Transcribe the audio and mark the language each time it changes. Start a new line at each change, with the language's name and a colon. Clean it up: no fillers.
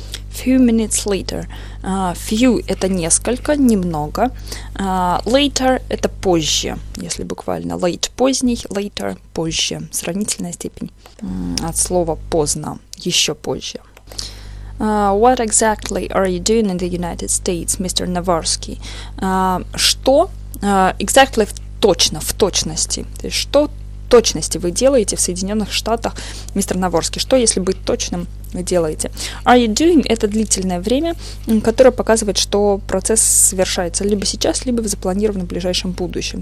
English: Few minutes later.
Russian: Few – это несколько, немного. Later – это позже, если буквально. Late – поздний, later – позже. Сравнительная степень от слова «поздно» – еще позже.
English: What exactly are you doing in the United States, Mr.
Russian: Navarsky? Что? Exactly – точно, в точности. То есть, что точности вы делаете в Соединенных Штатах, мистер Наворский? Что, если быть точным, вы делаете?
English: Are you doing
Russian: – это длительное время, которое показывает, что процесс совершается либо сейчас, либо в запланированном ближайшем будущем.